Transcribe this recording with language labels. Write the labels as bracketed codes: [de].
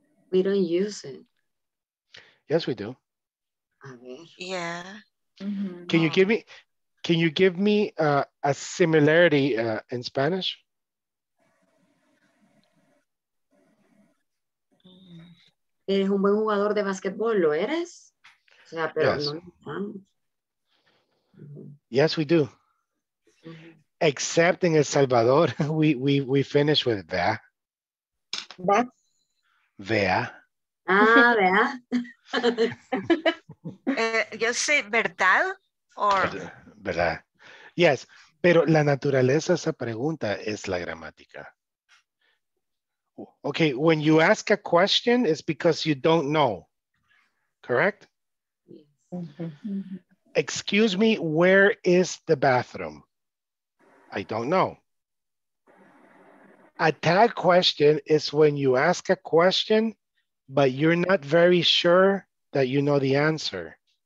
[en] We don't use it. Yes, we do. Yeah. Mm-hmm. Can you give me a similarity in Spanish? [es] Eres un buen jugador de basketball, ¿lo eres? O sea, pero [en] yes. No. Yes, we do. Mm-hmm. Except in El Salvador, we finish with vea. [es] Vea. Vea. Ah, vea. yo sé, ¿verdad? [en] Or... [es] ¿Verdad? [en] Yes, [es] pero la naturaleza de esa pregunta es la gramática. [en] Okay, when you ask a question, it's because you don't know. Correct? Excuse me, where is the bathroom? I don't know. A tag question is when you ask a question, but you're not very sure that you know the answer.